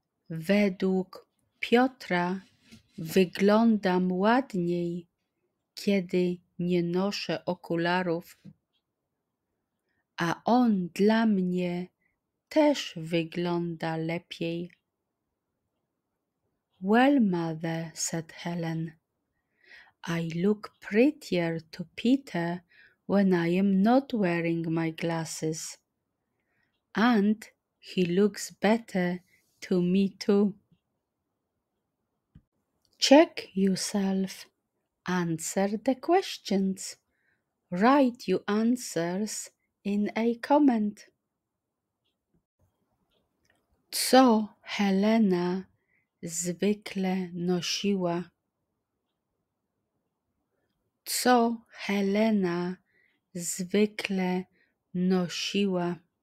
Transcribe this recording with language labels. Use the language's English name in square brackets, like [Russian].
[Polish] Według Piotra wyglądam ładniej, kiedy nie noszę okularów. A on dla mnie też wygląda lepiej. [English] Well, mother, said Helen, I look prettier to Peter when I am not wearing my glasses. And he looks better to me too. Check yourself. Answer the questions. Write your answers in a comment. [Polish] Co Helena zwykle nosiła? Co Helena zwykle nosiła?